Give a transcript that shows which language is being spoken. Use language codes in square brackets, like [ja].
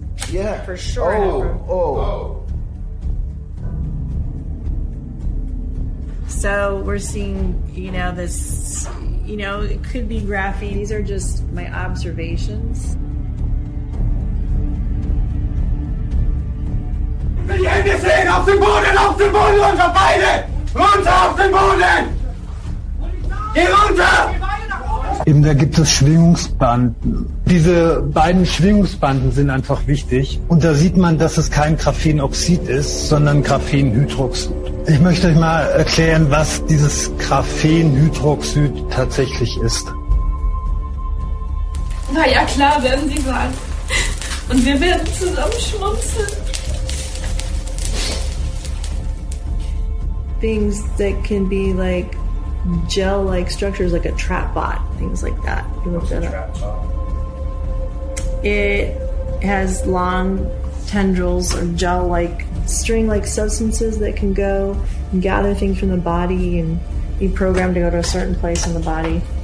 [en] Yeah. For sure. Oh. So we're seeing, it could be graphene. These are just my observations. [de] Wenn die Hände sehen, auf den Boden, runter, beide! Runter auf den Boden! Geh runter! Eben, da gibt es Schwingungsbanden. Diese beiden Schwingungsbanden sind einfach wichtig. Und da sieht man, dass es kein Graphenoxid ist, sondern Graphenhydroxid. Ich möchte euch mal erklären, was dieses Graphenhydroxid tatsächlich ist. Na ja, klar, werden Sie sagen. Und wir werden zusammen schmunzeln. [en] Things that can be like gel-like structures, like a trap bot, things like that. You look that up. It has long tendrils or gel-like string-like substances that can go and gather things from the body and be programmed to go to a certain place in the body.